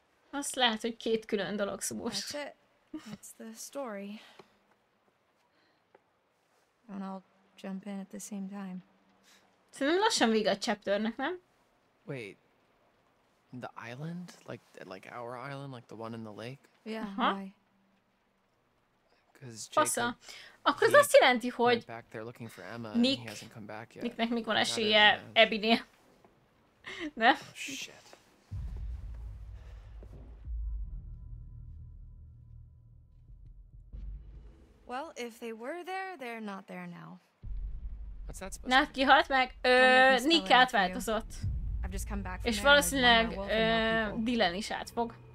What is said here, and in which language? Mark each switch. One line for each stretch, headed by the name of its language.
Hungarian: Azt lehet, hogy két külön dolog, szumos.
English: That's the story. Don't all jump in at the same time.
Hungarian: Szerintem lassan vége a chapternek, nem?
English: Wait, the island? Like our island? Like the one in the lake? Yeah, why?
Hungarian: Fasza. Akkor az azt jelenti, hogy Nicknek még van esélye Abby-nél. Ne?
English: Well, if they were there, they're not there now.
Hungarian: Nat ki halt meg, Nick átváltozott. És valószínűleg Dylan is átfog.